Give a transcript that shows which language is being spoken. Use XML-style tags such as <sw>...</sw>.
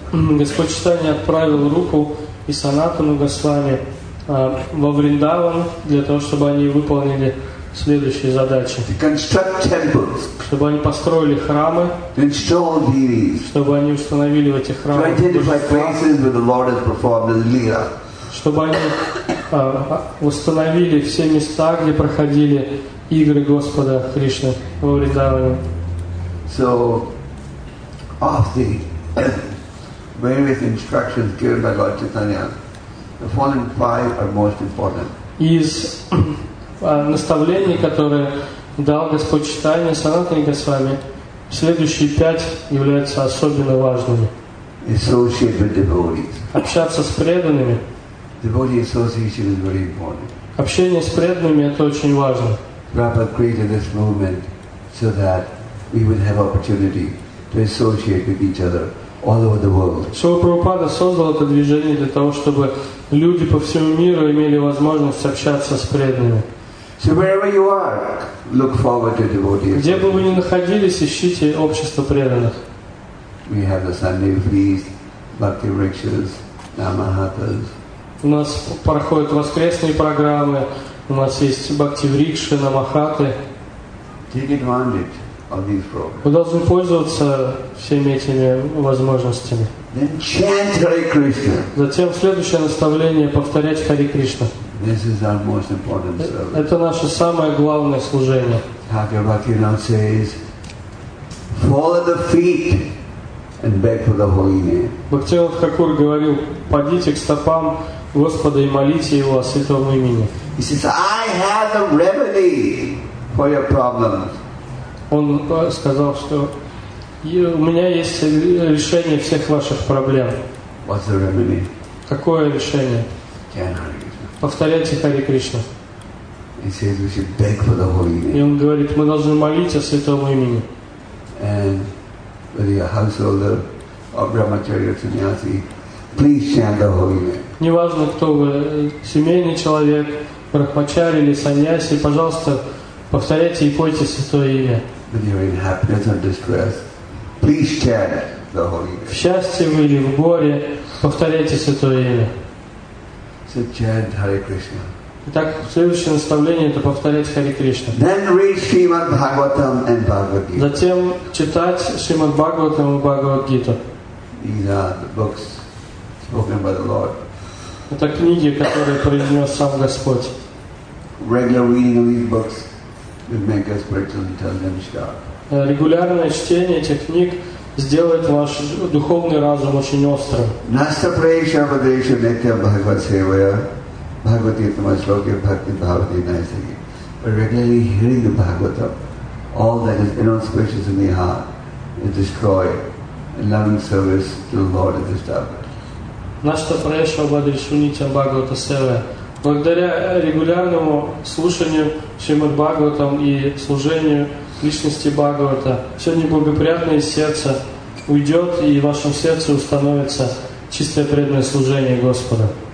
<ru>Господь Чайтанья отправил Рупу и Санатану Госвами во Вриндаван для того, чтобы они выполнили следующие задачи.</ru> <en>To construct temples.</en> <ru>Чтобы они построили храмы.</ru> <en>To install deities.</en> <ru>Чтобы они установили в этих храмах.</ru> <en>To identify places where the Lord has performed the lila.</en> <ru>Чтобы они установили все места, где проходили игры Господа Кришны во Вриндаване.</ru> <en>So. Of the various instructions given by Lord Chaitanya, the following five are most important.</en> <ru>Из наставлений, которые дал Господь Чайтанья Санатана Госвами, следующие пять являются особенно важными.</ru> <en>Associate with devotees.</en> <ru>Общаться с преданными.</ru> <en>Devotee association is very important.</en> <ru>Общение с преданными это очень важно.</ru> <en>Prabhupada created this movement so that we would have opportunity. To associate with each other all over the world.</en> <ru>Шрила Прабхупада создал это движение для того, чтобы люди по всему миру имели возможность общаться с преданными.</ru> <en>So wherever you are, look forward to devotees.</en> <ru>Где бы вы ни находились, ищите общество преданных.</ru> <en>We have the Sunday feast, Bhakti Rikshas, Namahatas.</en> <ru>У нас проходят воскресные программы. У нас есть Бхакти Рикши, Намахаты.</ru> <en>Take advantage.</en> <ru>Вы должны пользоваться всеми этими возможностями.</ru> <en>Then chant Hare Krishna.</en> <ru>Затем следующее наставление повторять Хари Кришна.</ru> <en>This is our most important service.</en> <ru>Это наше самое главное служение.</ru> <en>Thakur Bhakti now says, fall at the feet and beg for the holy name.</en> <ru>Бхактивинод Хакур говорил, падите к стопам Господа и молите Его о святом имени.</ru> <en>He says, I have the remedy for your problems.</en> <ru>Он сказал, что у меня есть решение всех ваших проблем.</ru> <en>What's the remedy?</en> <ru>Какое решение? Повторяйте Хари Кришна.</ru> <en>He says we should beg for the holy name.</en> <ru>И он говорит, мы должны молиться о святом имени.</ru> <en>And whether you're a householder or brahmacharya or sannyasi, please chant the holy name.</en> <ru>Неважно, кто вы, семейный человек, брахмачари или саньяси, пожалуйста, повторяйте и пойте святое имя.</ru> <en>Whether you're in happiness or distress, please chant the holy name.</en> <ru>В счастье вы или в горе, повторяйте святое имя.</ru> <en>So chant Hare Krishna.</en> <ru>Итак, следующее наставление это повторять Хари Кришна.</ru> <en>Then read Srimad Bhagavatam and Bhagavad Gita.</en> <ru>Затем читать Srimad Bhagavatam и Bhagavad Gita.</ru> <en>These are the books spoken by the Lord.</en> <ru>Это книги, которые произнес сам Господь.</ru> <en>Regular reading of these books. It make us spiritually intelligent sharp.</en> <ru>Регулярное чтение этих книг сделает ваш духовный разум очень острым.</ru> <sa>Nasta praesha vadesha netya bhagavad sevaya bhagavati tama shloke bhakti bhavati naisagi.</sa> <en>By regularly hearing the Bhagavatam, all that is inauspicious in the heart is destroyed and loving service to the Lord is established.</en> <sa>Nasta praesha vadesha netya bhagavad sevaya.</sa> <ru>Благодаря регулярному слушанию Шримад Бхагаватам и служению личности Бхагавата, все неблагоприятное сердце уйдет, и в вашем сердце установится чистое преданное служение Господа.</ru>